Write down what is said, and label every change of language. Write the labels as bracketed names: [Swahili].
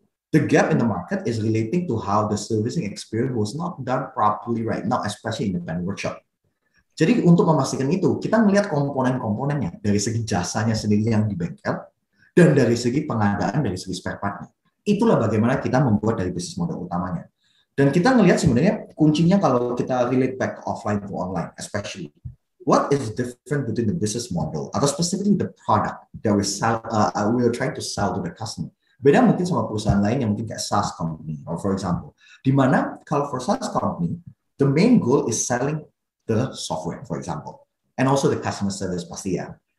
[English] The gap in the market is relating to how the servicing experience was not done properly right now, especially in the independent workshop. [Indonesian] Jadi untuk memastikan itu, kita melihat komponen-komponennya dari segi jasanya sendiri yang di bengkel, dan dari segi pengadaan, dari segi spare part-nya. Itulah bagaimana kita membuat dari bisnis model utamanya. Dan kita melihat sebenarnya kuncinya kalau kita [English] relate back offline to online, especially. What is different between the business model, [Indonesian] atau [English] specifically the product that we are trying to sell to the customer? [Indonesian] Beda mungkin sama perusahaan lain yang mungkin kayak SaaS company, [English] or for example. [Indonesian] Di mana kalau [English] for SaaS company, the main goal is selling the software, for example, and also the customer service [Indonesian] pasti ya.